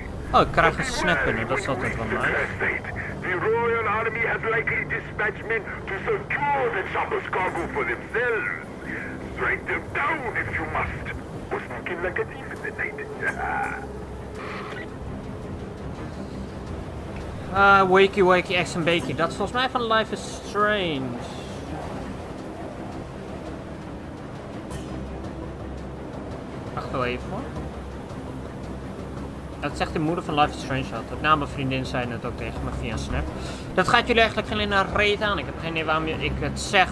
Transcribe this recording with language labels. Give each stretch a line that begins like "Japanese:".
Dutch: Oh, ik krijg een snap binnen, dat is altijd wel nice.
English: The Royal Army has likely dispatched men to secure the chopper's cargo for themselves. Strike them down if you must. We're sneaking like a thief in the night. Wakey wakey, eggs and bakey.
Dutch: Dat is volgens mij van Life is Strange. Wacht wel even hoor. Dat zegt de moeder van Life is Strange altijd. Nou, mijn vriendin zei het ook tegen me via een snap. Dat gaat jullie eigenlijk geen reet aan. Ik heb geen idee waarom ik het zeg.